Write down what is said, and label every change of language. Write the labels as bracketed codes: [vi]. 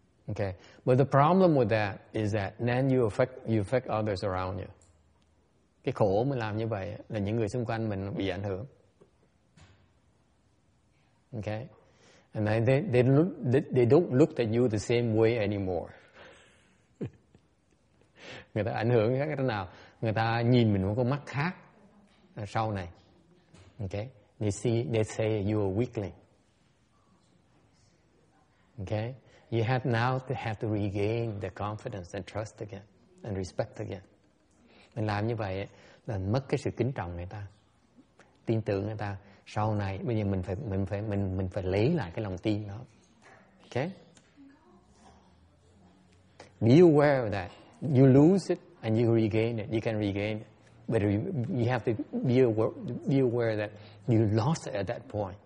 [en] Okay. But the problem with that is that then you affect others around you. [vi] Cái khổ mình làm như vậy là những người xung quanh mình bị ảnh hưởng. [en] Okay. And then they don't look at you the same way anymore. [vi] Người ta ảnh hưởng khác thế nào? Người ta nhìn mình với con mắt khác sau này. [en] Okay. They say you are weakling. Okay. You have now to have to regain the confidence and trust again and respect again. [vi] Mình làm như vậy là mất cái sự kính trọng người ta, tin tưởng người ta. Sau này bây giờ mình phải lấy lại cái lòng tin đó. [en] Okay? Be aware of that. You lose it and you regain it. You can regain it. But you have to be aware that you lost it at that point.